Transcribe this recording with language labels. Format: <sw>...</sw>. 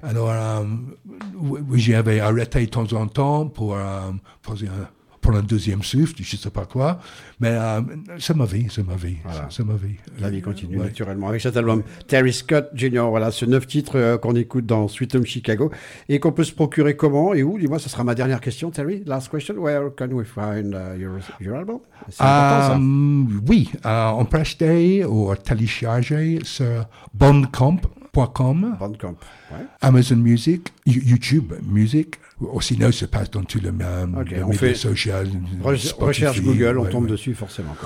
<fr>Alors, j'avais arrêté de temps en temps pour poser un. Pour un deuxième souffle, je ne sais pas quoi. Mais c'est ma vie. Voilà. C'est ma vie. La vie continue, ouais. Naturellement. Avec cet album, Terry Scott Jr., voilà, ce 9 titres qu'on écoute dans Sweet Home Chicago. Et qu'on peut se procurer comment et où? Dis-moi, ce sera ma dernière question, Terry.</fr> <en>Last question, where can we find your album?</en> <fr>C'est important, ça. Oui, on peut acheter ou télécharger sur bandcamp.com. Bandcamp, ouais. Amazon Music, YouTube Music. Ou sinon, ça passe dans tout le monde, les médias sociaux, Spotify. Recherche Google, on tombe dessus forcément.</fr>